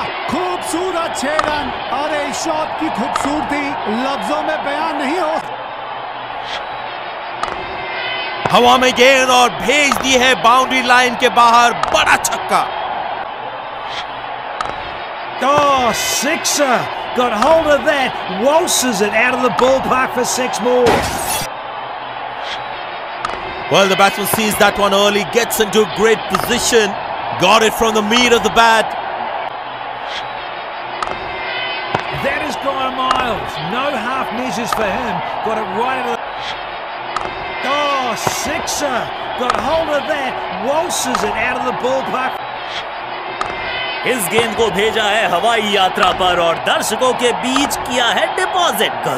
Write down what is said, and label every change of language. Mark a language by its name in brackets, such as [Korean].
[Hindi] खूबसूरत छह रन, अरे शॉट की खूबसूरती लफ्जों में बयान नहीं हो। हवा में गेंद और भेज दी है बाउंड्री लाइन के बाहर, बड़ा छक्का। [English] Oh, sixer, got hold of that, waltzes it out of the ballpark for six more. Well, the batsman sees that one early, gets into a great position, got it from the meat of the bat. That has gone miles, no half measures for him, got it right out of the... Oh, sixer, got hold of that, waltzes it out of the ballpark. [Hindi] इस गेंद को भेजा है हवाई यात्रा पर और दर्शकों के बीच किया है डिपॉजिट।